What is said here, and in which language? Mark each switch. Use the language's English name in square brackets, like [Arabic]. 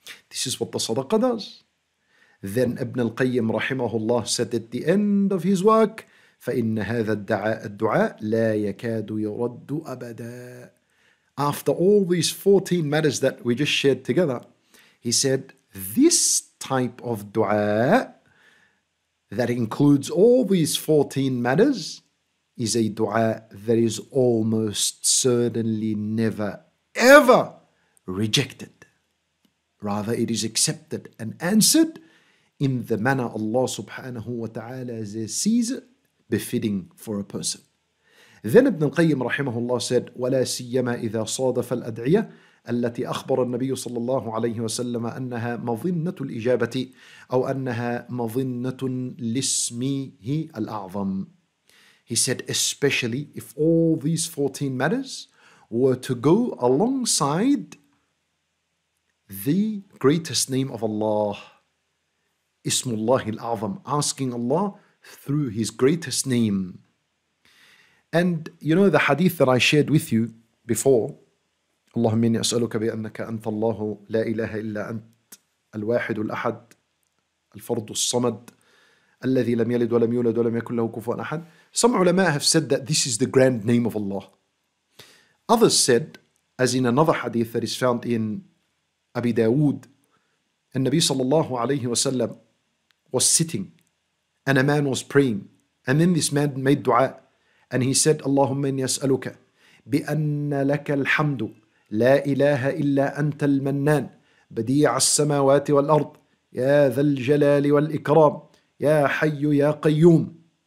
[English] This is what the sadaqah does. Then Ibn al-Qayyim rahimahullah said at the end of his work, [Arabic] فَإِنَّ هَذَا الدُّعَاءَ لَا يَكَادُ يُرَدُّ أَبَدًا [English] After all these 14 matters that we just shared together, he said, this type of dua that includes all these 14 matters is a dua that is almost certainly never, ever rejected. Rather, it is accepted and answered in the manner Allah subhanahu wa ta'ala sees it, befitting for a person. Then Ibn al-Qayyim rahimahullah said, [Arabic] وَلَا سِيَّمَا إِذَا صَادَفَ الْأَدْعِيَةَ الَّتِي أَخْبَرَ النَّبِيُّ صَلَّى اللَّهُ عَلَيْهِ وَسَلَّمَ أَنَّهَا مَظِنَّةُ الْإِجَابَةِ أَوْ أَنَّهَا مَظِنَّةٌ لِسْمِهِ الْأَعْظَمِ [English] He said, especially if all these 14 matters were to go alongside the greatest name of Allah, Ismullah al-A'zam, asking Allah through His greatest name. And you know the hadith that I shared with you before, [Arabic] اللهم إني أسألك بأنك أنت الله لا إله إلا أنت الواحد الأحد الفرد الصمد الذي لم يلد ولم يولد ولم يكن له كفوا أحد. [English] Some ulama have said that this is the grand name of Allah. Others said, as in another hadith that is found in Abi Dawood, and Nabi sallallahu alayhi wa sallam was sitting and a man was praying, and then this man made dua and he said, [Arabic] اللهم إني أسألك بأن لك الحمد لا إله إلا أنت المنان بديع السماوات والأرض يا ذا الجلال والإكرام يا حي يا قيوم.